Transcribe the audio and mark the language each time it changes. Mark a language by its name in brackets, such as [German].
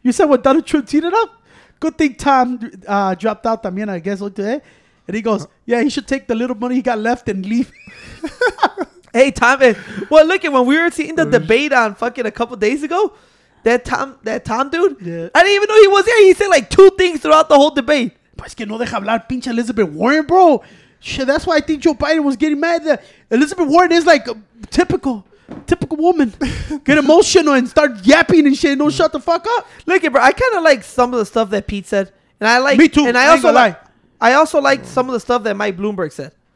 [English] You said what Donald Trump teed up? Good thing Tom dropped out [Spanish] también, [English] I guess, today. And he goes, yeah, he should take the little money he got left and leave. Hey, Tom. Well, look, when we were seeing the debate on fucking a couple days ago, that Tom dude, yeah. I didn't even know he was here. He said like 2 things throughout the whole debate. [Spanish] Pues que no deja hablar pinche Elizabeth Warren, bro. [English] Shit, that's why I think Joe Biden was getting mad. That Elizabeth Warren is like a typical woman. Get emotional and start yapping and shit. Don't shut the fuck up. Look, bro, I kind of like some of the stuff that Pete said. And I like. Me too. And I also like some of the stuff that Mike Bloomberg said.